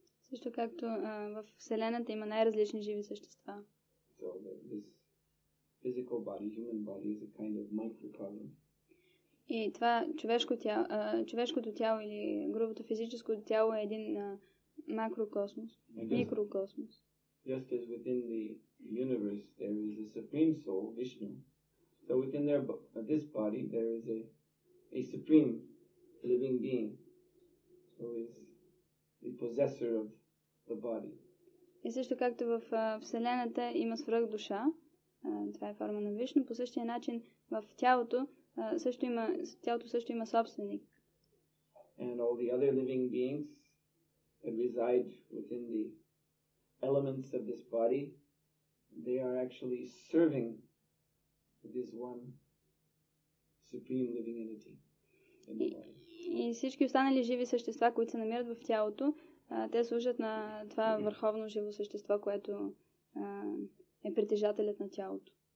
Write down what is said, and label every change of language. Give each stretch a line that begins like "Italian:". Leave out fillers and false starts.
Bulgarian: Също както в Вселената има най-различни живи същества.
English: So this physical body, human body is a kind of microcosm.
Bulgarian: И това човешко тяло, човешкото тяло или грубото физическо тяло е един макрокосмос, микрокосмос.
English: Just as within the universe there is a supreme soul, Vishnu, so within their, this body there is a supreme living being who is the possessor of the body.
Bulgarian: И също както в Вселената има свръх душа, това е форма на Вишну, по същия начин в тялото също има, тялото също има собственик.
English: And all the other living beings that reside within the elements of this body, they are actually serving this one supreme living entity.
Bulgarian: И всички останали живи същества, които се намират в тялото, те служат на това върховно живо същество, което е притежателят на тялото.